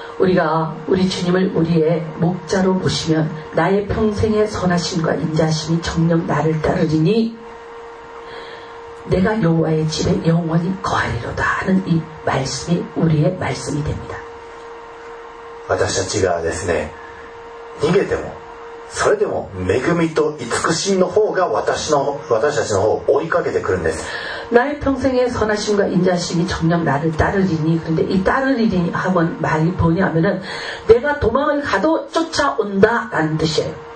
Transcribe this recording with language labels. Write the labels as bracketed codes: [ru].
[ko] 우리가 우리 주님을 우리의 목자로 보시면 나의 평생의 선하심과 인자심이 정녕 나를 따르리니 내가 여호와의 집에 영원히 거하리로다 하는 이 말씀이 우리의 말씀이 됩니다. [ja] 私たちがですね逃げてもそれでも恵みと慈しみの方が私たちの方を追いかけてくるんです。 [ko] 나의 평생의 선하심과 인자심이 정녕 나를 따르리니. 그런데 이 따르리니 하면 말이 뭐냐면은 내가 도망을 가도 쫓아온다 라는 뜻이에요.